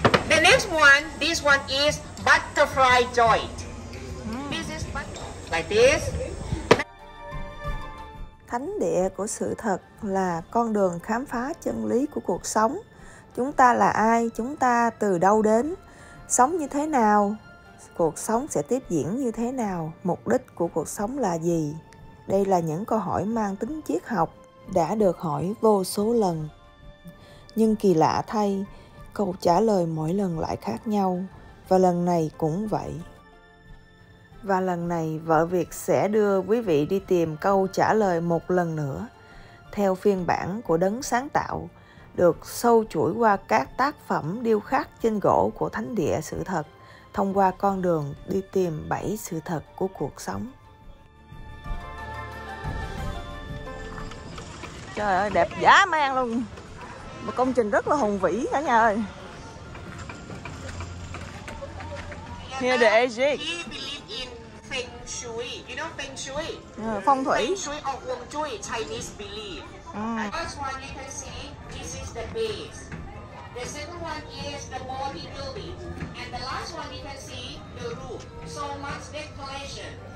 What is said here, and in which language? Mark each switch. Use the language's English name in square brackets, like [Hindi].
[English] The next one, this one is butterfly joint. This is like this. [Vietnamese] Thánh địa của sự thật là con đường khám phá chân lý của cuộc sống. Chúng ta là ai? Chúng ta từ đâu đến? Sống như thế nào? Cuộc sống sẽ tiếp diễn như thế nào? Mục đích của cuộc sống là gì? Đây là những câu hỏi mang tính triết học đã được hỏi vô số lần. Nhưng kỳ lạ thay, câu trả lời mỗi lần lại khác nhau. Và lần này cũng vậy. Và lần này, vợ Việt sẽ đưa quý vị đi tìm câu trả lời một lần nữa theo phiên bản của Đấng Sáng Tạo, được sâu chuỗi qua các tác phẩm điêu khắc trên gỗ của Thánh Địa Sự Thật, thông qua con đường đi tìm 7 sự thật của cuộc sống. Trời ơi, đẹp dã man luôn. Một công trình rất là hùng vĩ cả nhà ơi. [English] Here the Egypt. He believe in feng shui. You know feng shui? [Vietnamese] Phong thủy. [English] Feng shui or wong shui, Chinese believe. first one you can see, this is the base. The second one is the body building. And the last one you can see, the roof. So much decoration.